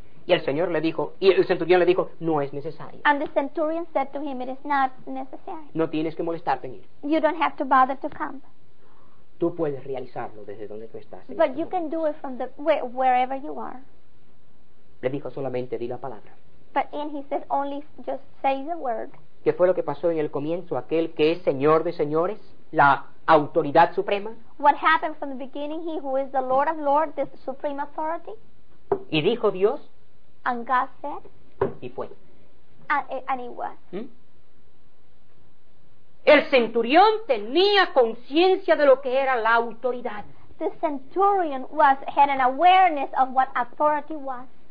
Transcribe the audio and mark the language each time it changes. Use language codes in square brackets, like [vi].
[es] Y el Señor le dijo, y el centurión le dijo, no es necesario. [en] And the centurion said to him, it is not necessary. [es] No tienes que molestarte en ir. [en] You don't have to bother to come. [es] Tú puedes realizarlo desde donde tú estás. [en] But you can do it from the wherever you are. [es] Le dijo, solamente di la palabra. [en] But in he said, only just say the word. [es] ¿Qué fue lo que pasó en el comienzo? Aquel que es Señor de señores, la autoridad suprema. [en] What happened from the beginning? He who is the Lord of lords, the supreme authority. [es] Y dijo Dios. [en] And God said. [es] Y fue. [en] And it was. ¿Mm? [es] El centurión tenía conciencia de lo que era la autoridad. [en] The centurion had an awareness of what authority was.